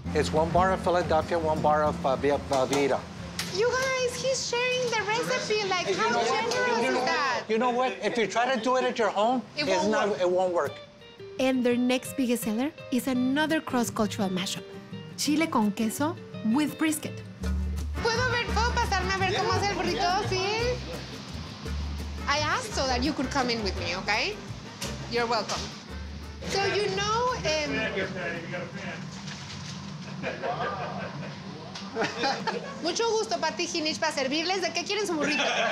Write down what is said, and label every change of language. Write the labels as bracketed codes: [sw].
[en] It's one bar of Philadelphia, one bar of Vida. You guys, he's sharing the recipe. Like, how generous is that? You know what? If you try to do it at your home, it won't work. And their next biggest seller is another cross-cultural mashup, chile con queso with brisket. [es] ¿Puedo pasarme a ver cómo hace el burrito? ¿Sí? [en] I asked so that you could come in with me, okay? You're welcome. So you know, [es] mucho gusto, Pati Jinich, para servirles. ¿De qué quieren su burrito?